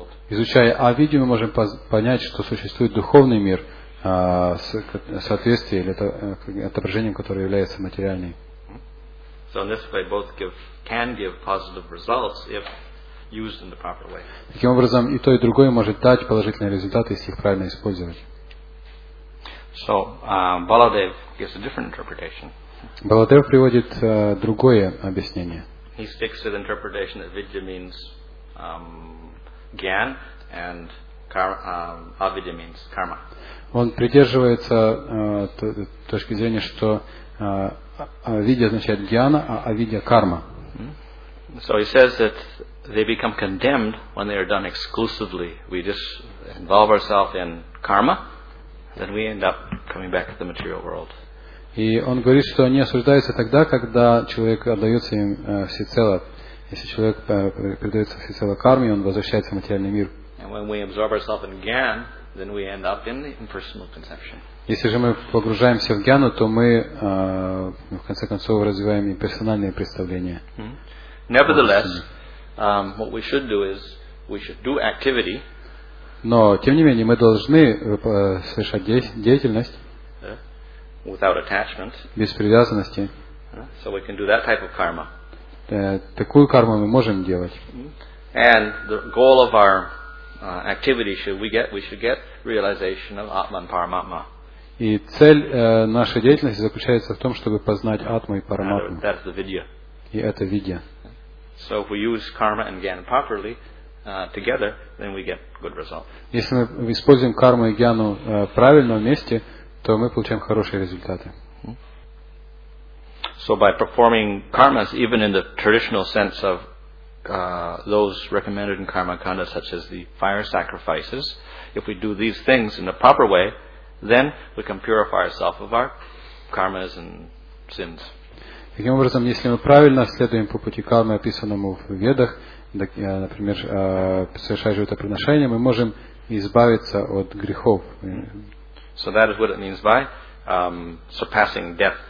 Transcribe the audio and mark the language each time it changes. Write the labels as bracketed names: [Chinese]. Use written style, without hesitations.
[Russian] Изучая авидью, мы можем понять, что существует духовный мир с соответствием или отображением, которое является материальным. [English] So in this way, both can give positive results if used in the proper way. [Russian] Таким образом, и то, и другое может дать положительные результаты, если их правильно использовать. [English] So Baladev gives a different interpretation. [Russian] Baladev приводит другое объяснение. [English] He sticks to the interpretation that vidya means gyan and avidya means karma. [Russian] Он придерживается точки зрения, что авидья означает гьяна, а авидья карма. [English] So he says that they become condemned when they are done exclusively. We just involve ourselves in karma, then we end up coming back to the material world. [Russian] И он говорит, что они осуждаются тогда, когда человек отдается им всецело. Если человек предается всецело карме, он возвращается в материальный мир. [English] And when we absorb ourselves in gyan, then we end up in the impersonal conception. [Russian] Если же мы погружаемся в гьяну, то мы в конце концов развиваем имперсональные представления. [English] Nevertheless, what we should do is we should do activity. [Russian] Но тем не менее мы должны совершать деятельность. [English] Without attachment. [Russian] Без привязанности. [English] So we can do that type of karma. [Russian] Такую карму мы можем делать. [English] And the goal of our activity we should get realization of Atman Paramatma. [Russian] И цель нашей деятельности заключается в том, чтобы познать Атму и Параматму. [English] That's the vidya. [Russian] И это видья. [English] So if we use karma and gyan properly together, then we get good results. [Russian] Если мы используем карму и гьяну правильно вместе, то мы получаем хорошие результаты. [English] So by performing karmas, even in the traditional sense of those recommended in Karmakanda, such as the fire sacrifices, if we do these things in a proper way, then we can purify ourselves of our karmas and sins. [Russian] Таким образом, если мы правильно следуем по пути кармы, описанному в Ведах, например, совершая жертвоприношение, мы можем избавиться от грехов. [English] So that is what it means by surpassing death.